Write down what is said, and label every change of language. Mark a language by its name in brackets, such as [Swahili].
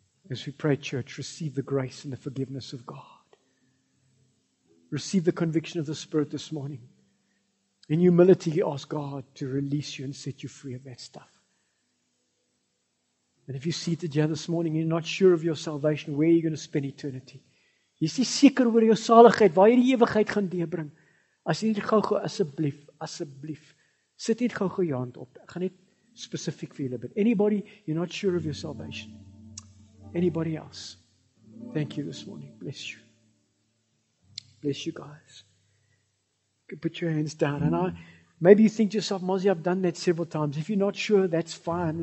[English] As we pray, church, receive the grace and the forgiveness of God. Receive the conviction of the Spirit this morning. In humility, ask God to release you and set you free of that stuff. And if you're seated here this morning, you're not sure of your salvation, where are you going to spend eternity? [Afrikaans] Is jy seker oor jou saligheid, waar jy die ewigheid gaan deurbring? As jy nie gou-gou asseblief Sit net gou-gou jou hand op. Ek gaan net spesifiek vir julle bid. [English] Anybody, you're not sure of your salvation? Anybody else? Thank you this morning. Bless you. Bless you guys. Put your hands down. And maybe you think to yourself, Mozzie, I've done that several times. If you're not sure, that's fine.